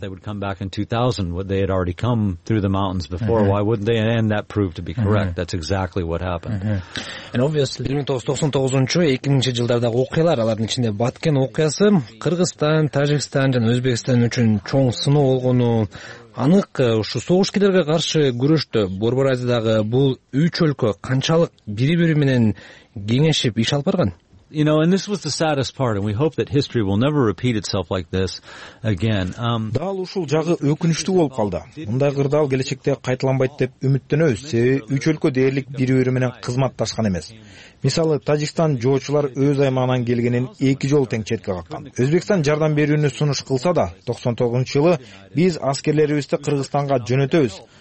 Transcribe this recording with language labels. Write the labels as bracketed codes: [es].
[en] They would come back in 2000, what they had already come through the mountains before. Why wouldn't they? And that proved to be correct. That's exactly what happened. And obviously [ky] 1999-2000 жылдардагы окуялар, алардын ичинде Баткен окуясы Кыргызстан, Тажикстан жана Өзбекстан үчүн чоң сыноо болгону анык. Ушу согушкерлерге каршы күрөштө Борбор Азиядагы бул 3 өлкө канчалык бири-бири менен кеңешип иш алып барган? [en] You know, and this was the saddest part, and we hope that history will never repeat itself like this again. [ky] Дал ушул жагы өкүнүчтүү болуп калды. Мындай кырдаал келечекте кайталанбайт деп үмүттөнөбүз. Себеби 3 өлкө дээрлик бири-бири менен кызматташкан эмес. Мисалы, Тажикстан жоочулар өз аймагынан келгенин 2 жолу тең четке каккан. Өзбекстан жардам берүүнү сунуш кылса да, 99-чу жылы биз аскерлерибизди Кыргызстанга жөнөтөбүз.